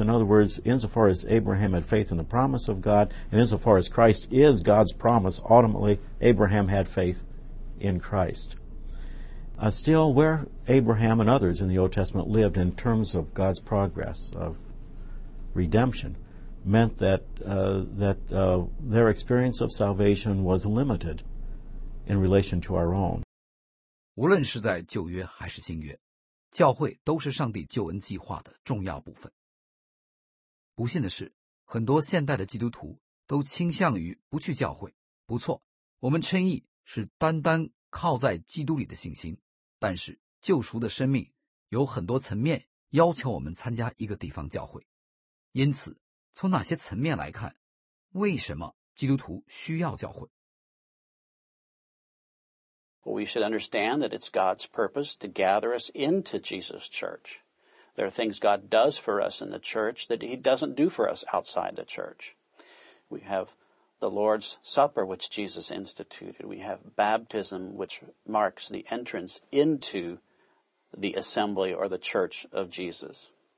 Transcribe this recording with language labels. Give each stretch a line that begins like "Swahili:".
English: In other words, insofar as Abraham had faith in the promise of God, and insofar as Christ is God's promise, ultimately Abraham had faith in Christ. Still, where Abraham and others in the Old Testament lived in terms of God's progress of redemption meant that their experience of salvation was limited in relation to our own.
Chinese: 无论是在旧约还是新约, 教会都是上帝救恩计划的重要部分。不幸的是，很多现代的基督徒都倾向于不去教会。不错，我们称义是单单靠在基督里的信心。但是救赎的生命有很多层面要求我们参加一个地方教会。因此，从哪些层面来看，为什么基督徒需要教会？
English: We should understand that it's God's purpose to gather us into Jesus' church. There are things God does for us in the church that he doesn't do for us outside the church. We have the Lord's Supper, which Jesus instituted. We have baptism, which marks the entrance into the assembly or the church of Jesus.